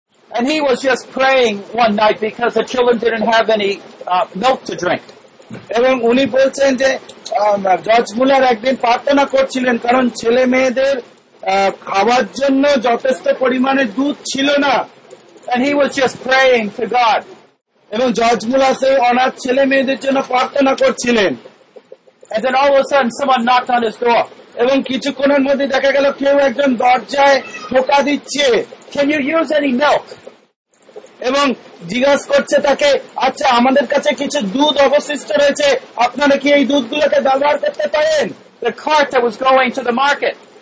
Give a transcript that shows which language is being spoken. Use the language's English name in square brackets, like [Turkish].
[English] and he was just praying one night because the children didn't have any milk to drink [Bangla] এবং উনি বলছেন যে George মুলার একদিন প্রার্থনা করছিলেন কারণ ছেলে মেয়েদের খাবার জন্য যথেষ্ট পরিমাণে দুধ ছিল না [English] and he was just praying to god [Bangla] এবং জর্জ মুলার সেই অনাথ ছেলে মেয়েদের জন্য প্রার্থনা করছিলেন [English] And then all of a sudden someone knocked on his door. [Bangla] এবং কিছুক্ষণের মধ্যে দেখা গেল কেউ একজন দরজায় ঠোকা দিচ্ছে. [English] Can you use any milk? [Bangla] এবং জিজ্ঞাসা করছে তাকে আচ্ছা আমাদের কাছে কিছু দুধ অবশিষ্ট রয়েছে আপনারা কি এই দুধগুলোকে ব্যবহার করতে পারেন? [English] The cart that was going to the market.